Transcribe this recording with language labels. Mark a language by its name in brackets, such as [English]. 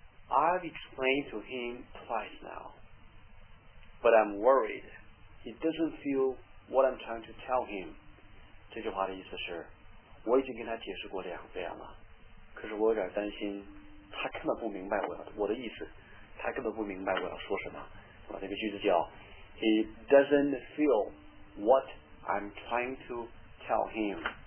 [English] I've explained to him twice now, but I'm worried he doesn't feel what I'm trying to tell him. [Chinese] 这句话的意思是，我已经跟他解释过两遍了，可是我有点担心他根本不明白我的意思，他根本不明白我要说什么。这个句子叫 [English] He doesn't feel what I'm trying to tell him.